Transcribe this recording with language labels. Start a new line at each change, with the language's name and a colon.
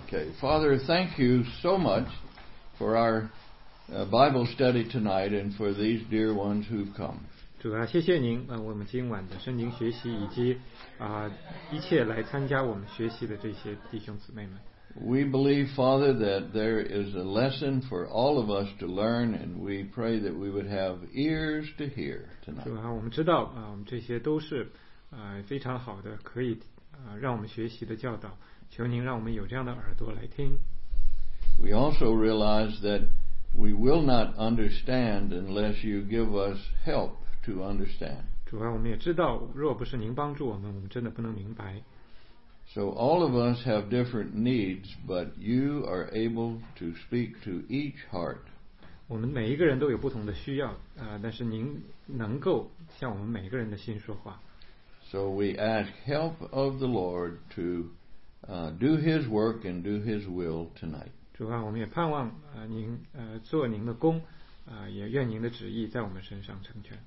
English: Okay, Father, thank you so much for our Bible study tonight and for these dear ones who've come.
Chinese: 主啊，谢谢您啊，我们今晚的圣经学习以及啊一切来参加我们学习的这些弟兄姊妹们。
English: We believe, Father, that there is a lesson for all of us to learn, and we pray that we would have ears to hear tonight.
Chinese: 主啊，我们知道啊，我们这些都是非常好的，可以让我们学习的教导。求您让我们有这样的耳朵来听。
English: We also realize that we will not understand unless you give us help to understand.
Chinese: 主啊，我们也知道，若不是您帮助我们，我们真的不能明白。
English: So all of us have different needs, but you are able to speak to each heart.
Chinese: 我们每一个人都有不同的需要，但是您能够向我们每一个人的心说话。
English: So we ask help of the Lord to do His work and do His will tonight.
Chinese: 主啊，我们也盼望您做您的工，也愿您的旨意在我们身上成全。